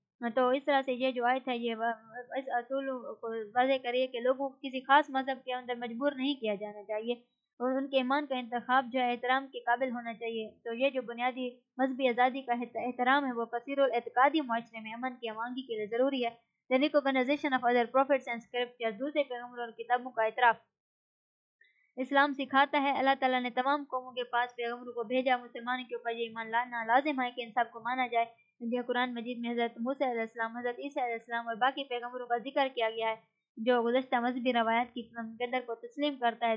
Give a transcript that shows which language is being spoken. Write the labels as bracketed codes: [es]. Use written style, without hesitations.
[ur] تو اس طرح سے یہ جو آیت ہے یہ اس اصول کو واضح کریے کہ لوگوں کو کسی خاص مذہب کے اندر مجبور نہیں کیا جانا چاہیے اور ان کے ایمان کا انتخاب جو ہے احترام کے قابل ہونا چاہیے. تو یہ جو بنیادی مذہبی آزادی کا احترام ہے وہ کثیر الاعتقادی معاشرے میں امن کی امانگی کے لیے ضروری ہے. [en] The recognition of other prophets and scriptures, [ur] دوسرے پیغمبروں اور کتابوں کا اعتراف. اسلام سکھاتا ہے, اللہ تعالیٰ نے تمام قوموں کے پاس پیغمبروں کو بھیجا, مسلمانوں کے اوپر یہ ایمان لانا لازم ہے کہ ان سب کو مانا جائے. یہ قرآن مجید میں حضرت موسیٰ علیہ السلام, حضرت عیسیٰ علیہ السلام اور باقی پیغمبروں کا ذکر کیا گیا ہے جو گزشتہ مذہبی روایات کی قدر کو تسلیم کرتا ہے.